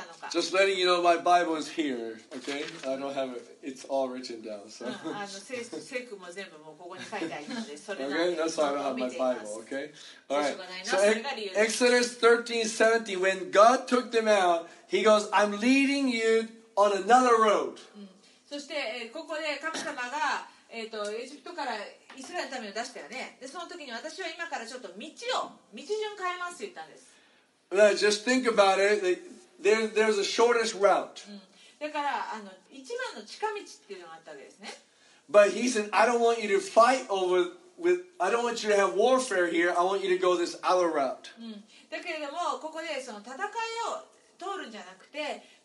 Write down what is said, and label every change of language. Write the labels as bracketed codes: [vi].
[en] Just letting you know, my Bible is here, okay? I don't have it, it's all written down. So. Okay, that's why I don't have my Bible, okay? All right. So Exodus 13, 17, when God took them out, he goes, I'm leading you on another road. [ja] そしてここで神様がエジプトからイスラエルのために出したよね。でその時に私は今からちょっと道順変えますって言ったんです。 [en] Now, just think about it. There's a shortest route. [ja] だから一番の近道っていうのがあったわけですね。 [en] But he said, I don't want you to fight over with. I don't want you to have warfare here. I want you to go this other route. [ja] だけれどもここでその戦いを通るんじゃなくて。